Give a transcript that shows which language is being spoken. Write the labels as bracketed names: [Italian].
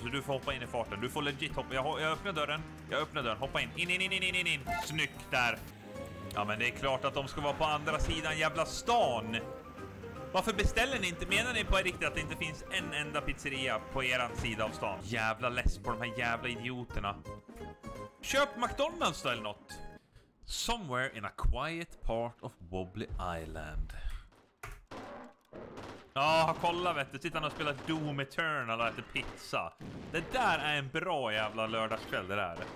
[Swedish] Så du får hoppa in i farten. Du får legit hoppa. Jag öppnar dörren. Jag öppnar dörren. Hoppa in. In. Snyggt där. Ja, men det är klart att de ska vara på andra sidan jävla stan. Varför beställer ni inte? Menar ni på riktigt att det inte finns en enda pizzeria på eran sida av stan? Jävla less på de här jävla idioterna. Köp McDonald's då eller något. [English] Somewhere in a quiet part of Wobbly Island. [Swedish] Ja, kolla vet du. Sitter han och spelar Doom Eternal och äter pizza. Det där är en bra jävla lördagskväll det där.